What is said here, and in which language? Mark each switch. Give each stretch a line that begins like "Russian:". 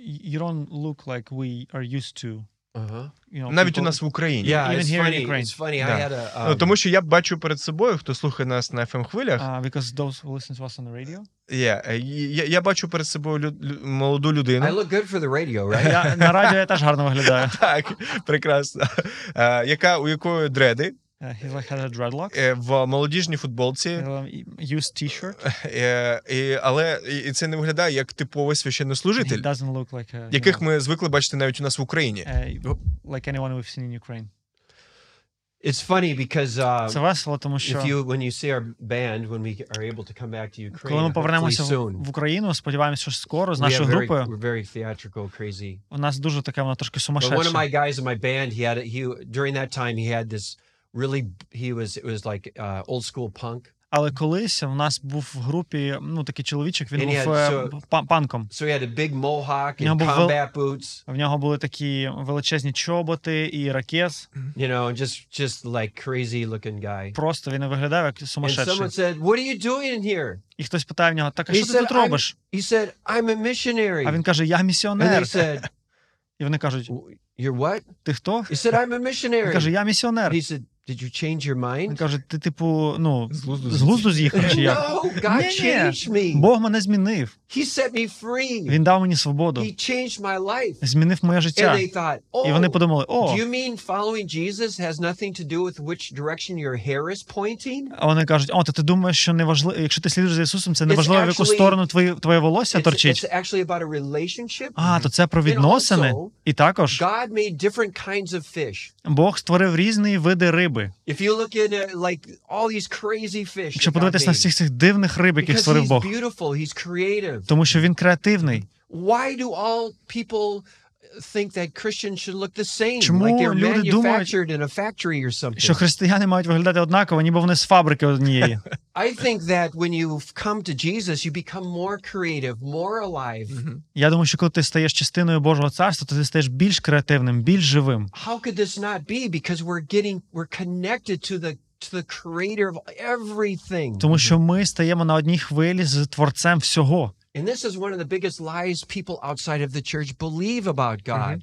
English: You don't look like we are used to.
Ukrainian: Навіть у нас в Україні.
English: Yeah, it's funny. Yeah.
Ukrainian: Тому що я бачу перед собою, хто слухає нас на FM-хвилях.
English: Because those who listen to us on the radio.
Ukrainian: Я бачу перед собою молоду людину.
English: I look good for the radio, right?
Ukrainian: На радіо я теж гарно виглядаю. Так, прекрасно. У якої дреди.
English: He like had a dreadlocks.
Ukrainian: В молодіжній футболці.
English: Used t-shirt.
Ukrainian: Але і це не виглядає як типовий священнослужитель.
English: It doesn't look like a,
Ukrainian: яких ми звикли бачити навіть у нас в Україні.
English: Like anyone we've seen in Ukraine. It's funny because
Ukrainian: це весело, тому що
English: if you when you see our band when we are able to come back to Ukraine.
Ukrainian: Коли ми повернемося в Україну, сподіваємося, що скоро з нашою групою.
English: We're very theatrical, crazy.
Ukrainian: У нас дуже така вона трошки сумасшедша.
English: One of my guys in my band, he during that time he had this really it was like old school punk.
Ukrainian: Але колись в нас був в групі, ну, такий чоловічок, він був панком.
English: So he had a big mohawk and combat boots.
Ukrainian: В нього були такі величезні чоботи і ракес.
English: You know, just like crazy looking guy.
Ukrainian: Просто він виглядав як сумасшедший.
English: And someone said, "What are you doing here?"
Ukrainian: І хтось питає в нього: "Так, а що ти тут робиш?"
English: He said, "I'm a missionary."
Ukrainian: А він каже: "Я місіонер."
English: And he said,
Ukrainian: і вони кажуть:
English: "You're what?"
Ukrainian: Ти хто?
English: He said, "I'm a missionary."
Ukrainian: Він каже: "Я місіонер."
English: Did you change your mind?
Ukrainian: Він каже, ти типу, ну, з глузду з'їхав чи як?
English: No, God changed me.
Ukrainian: Бог мене змінив.
English: He set me free.
Ukrainian: Він дав мені свободу.
English: He changed my life.
Ukrainian: Змінив моє життя.
English: And they thought, oh,
Ukrainian: і вони подумали: "О,
English: do you mean following Jesus has nothing to do with which direction your hair is pointing?"
Ukrainian: А вони кажуть: "О, то ти думаєш, що неважливо, якщо ти слідуєш за Ісусом, це неважливо, в яку сторону твоє волосся торчить?"
English: It's actually about a relationship.
Ukrainian: А, то це про відносини. І також
English: God made different kinds of fish.
Ukrainian: Бог створив різні види риби.
English: If you look at like all these crazy fish.
Ukrainian: Якщо подивитись на всіх цих дивних риб, яких створив Бог.
English: He's creative.
Ukrainian: Тому що він креативний.
English: Why do all people think that Christians should look the same?
Ukrainian: Чому they're люди
English: manufactured in a factory or something?
Ukrainian: Що християни мають виглядати однаково, ніби вони з фабрики однієї.
English: I think that when you come to Jesus, you become more creative, more alive.
Ukrainian: Я думаю, що коли ти стаєш частиною Божого царства, то ти стаєш більш креативним, більш живим.
English: How could this not be? Because we're connected to the creator of everything.
Ukrainian: Тому що ми стаємо на одній хвилі з творцем всього.
English: And this is one of the biggest lies people outside of the church believe about God.